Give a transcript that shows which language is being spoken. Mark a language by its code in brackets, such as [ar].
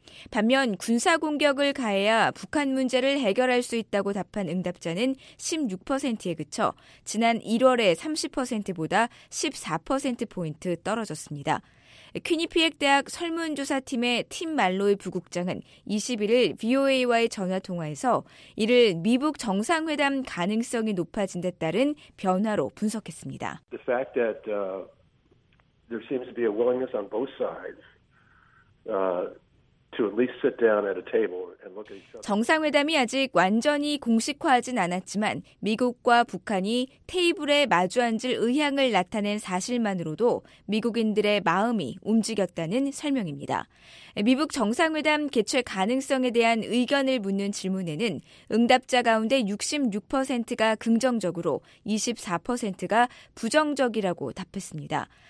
[ko] 반면 군사공격을 가해야 북한 문제를 해결할 수 있다고 답한 응답자는 16%에 그쳐 지난 1월에 30%보다 14%포인트 떨어졌습니다. 퀴니피엑 대학 설문조사팀의 팀 말로이 부국장은 21일 VOA와의 전화통화에서 이를 미북 정상회담 가능성이 높아진 데 따른 변화로 분석했습니다. [en] The fact that there seems to be a willingness on both sides to at least sit down at a table and look at each other. [ko] 정상회담이 아직 완전히 공식화하진 않았지만 미국과 북한이 테이블에 마주 앉을 의향을 나타낸 사실만으로도 미국인들의 마음이 움직였다는 설명입니다. 미북 정상회담 개최 가능성에 대한 의견을 묻는 질문에는 응답자 가운데 66%가 긍정적으로 24%가 부정적이라고 답했습니다.